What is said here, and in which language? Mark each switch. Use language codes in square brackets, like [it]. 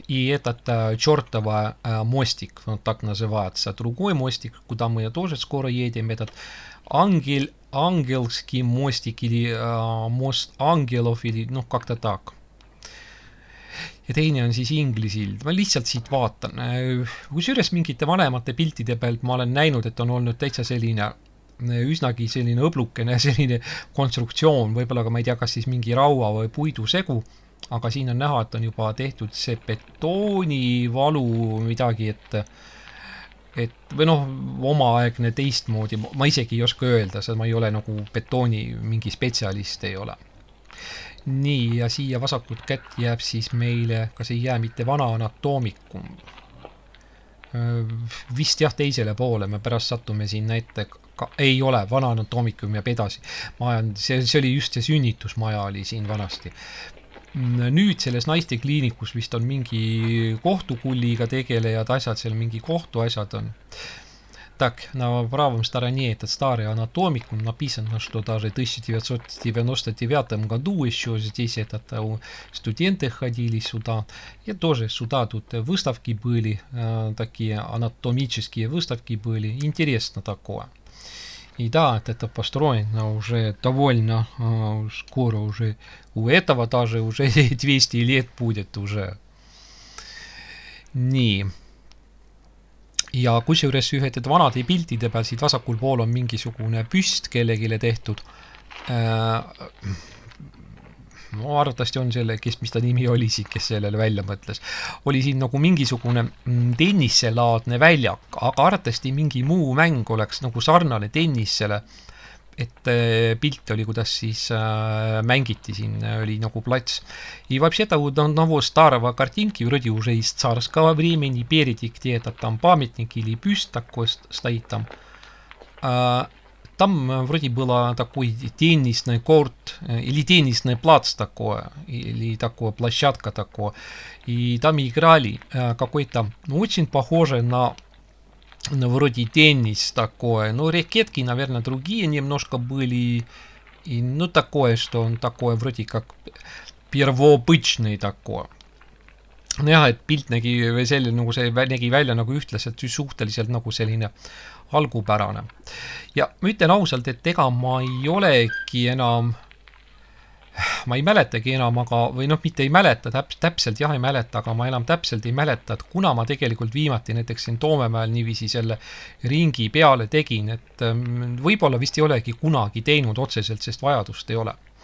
[ru] И этот чертова мостик, ну, так называется, другой мостик, куда мы тоже скоро едем, этот ангельский мостик или мост ангелов, или, ну, как-то так. [et] Ja teine on siis inglisild. Ma lihtsalt siit vaatan. Kus üles mingite vanemate piltide pealt ma olen näinud, et on olnud täitsa selline üsnagi selline õblukene, selline konstruktsioon, võibolla ka ma ei tea, kas siis mingi raua või puidu segu, aga siin on näha, et on juba tehtud see betooni valu midagi, et või noh, oma aegne teistmoodi, ma isegi ei oska öelda, sest ma ei ole nagu betooni mingi spetsialist ei ole. Nii, ja siia vasakult kätt jääb siis meile, kas ei jää mitte vana anatoomikum. Vist jah, teisele poole, me pärast sattume siin näite, ei ole, vana anatoomikum jääb edasi. See oli just see sünnitusmaja oli siin vanasti. Nüüd selles naiste kliinikus vist on mingi kohtukulliga tegelejad asjad, seal mingi kohtuasjad on. [ru] Так, на правом стороне этот старый анатомик, он написано, что даже в 1999 году еще здесь этот студенты ходили сюда. И тоже сюда тут выставки были, такие анатомические выставки были. Интересно такое. И да, это построено уже довольно скоро уже. У этого даже уже 200 лет будет уже. Не. [et] Ja kus juures ühed, et vanade piltide peal siit vasakul pool on mingisugune püst kellegile tehtud. No arvatavasti on selle, kes mis ta nimi oli siit, kes sellele välja mõtles. Oli siin nagu mingisugune tennisselaadne väljak, aga arvatavasti mingi muu mäng oleks nagu sarnane tennissele. Et pilt oli, kuidas siis mängiti siin, oli nagu plats. [ru] И вообще это вот одного старого картинки, вроде уже из царского времени, впереди где-то там памятник или бюст такой стоит там. Там вроде было такой теннисный корт, или теннисный плац такое, или такое площадка такое. И там играли какой-то, ну, очень похоже на ну, вроде теннис такое, но ракетки, наверное, другие немножко были, и, ну, такое, что он такое, вроде как первобытный такое. [et] Näha, et pilt nägi selline, nagu see nägi välja nagu ühtlaselt suhteliselt nagu selline algupärane. Ja ma ütlen ausalt, et ega ma ei olegi enam, ma ei mäletagi enam, aga, või noh, mitte ei mäleta, täpselt jah ei mäleta, aga ma enam täpselt ei mäleta, et kuna ma tegelikult viimati näiteks siin Toomemäel niivisi selle ringi peale tegin, et võibolla vist ei olegi kunagi teinud otseselt, sest vajadust ei ole.